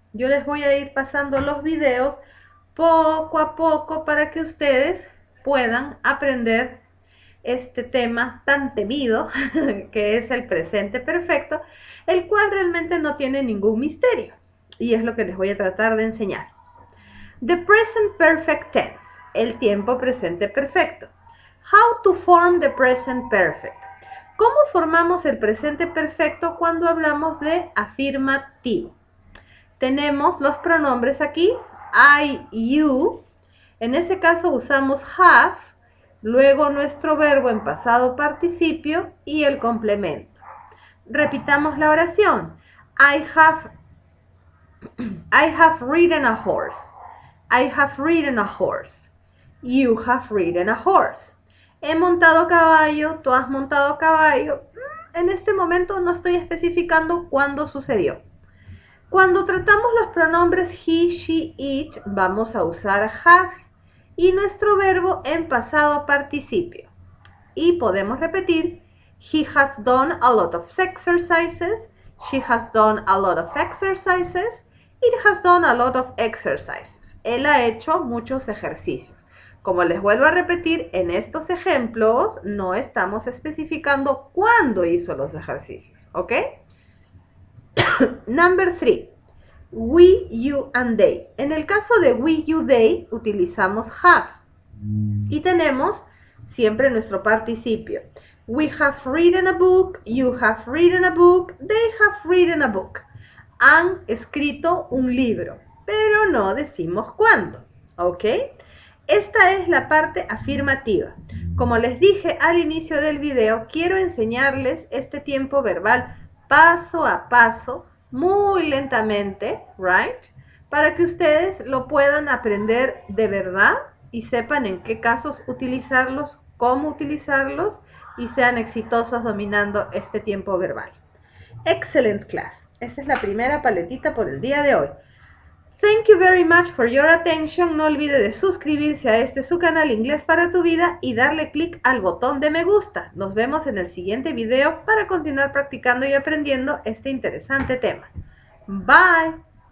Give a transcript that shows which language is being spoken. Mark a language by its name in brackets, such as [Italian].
[Spanish] Yo les voy a ir pasando los videos poco a poco para que ustedes puedan aprender este tema tan temido que es el presente perfecto, el cual realmente no tiene ningún misterio y es lo que les voy a tratar de enseñar. [English] The present perfect tense, [Spanish] el tiempo presente perfecto. [English] How to form the present perfect. [Spanish] ¿Cómo formamos el presente perfecto cuando hablamos de afirmativo? Tenemos los pronombres aquí. I, you, en ese caso usamos have, luego nuestro verbo en pasado participio y el complemento. Repitamos la oración. [English] I have ridden a horse. I have ridden a horse. You have ridden a horse. [Spanish] He montado caballo, tú has montado caballo. En este momento no estoy especificando cuándo sucedió. Cuando tratamos los pronombres he, she, it, vamos a usar has y nuestro verbo en pasado participio. Y podemos repetir, [English] he has done a lot of exercises, she has done a lot of exercises, it has done a lot of exercises. [Spanish] Él ha hecho muchos ejercicios. Como les vuelvo a repetir, en estos ejemplos no estamos especificando cuándo hizo los ejercicios, ¿ok? [English] Number 3. We, you and they. [Spanish] En el caso de we, you, they, utilizamos have. Y tenemos siempre nuestro participio. [English] We have written a book, you have written a book, they have written a book. [Spanish] Han escrito un libro, pero no decimos cuándo. ¿Ok? Esta es la parte afirmativa. Como les dije al inicio del video, quiero enseñarles este tiempo verbal paso a paso. Muy lentamente, right? Para que ustedes lo puedan aprender de verdad y sepan en qué casos utilizarlos, cómo utilizarlos y sean exitosos dominando este tiempo verbal. [English] Excellent class. [Spanish] Esa es la primera paletita por el día de hoy. [English] Thank you very much for your attention. [Spanish] No olvide de suscribirse a este su canal Inglés para tu vida y darle clic al botón de me gusta. Nos vemos en el siguiente video para continuar practicando y aprendiendo este interesante tema. Bye.